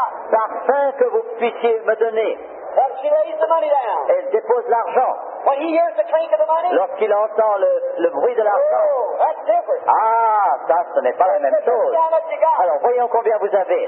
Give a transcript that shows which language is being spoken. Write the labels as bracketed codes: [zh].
[fr] Parfum que vous puissiez me donner. [en] And she lays the money down. [fr] Elle dépose l'argent. [en] When he hears the clink of the money, [fr] lorsqu'il entend le bruit de l'argent. [en] Oh, that's different. [fr] Ah, ça, ce n'est pas [en] she [fr] la même chose. Alors, voyons combien vous avez.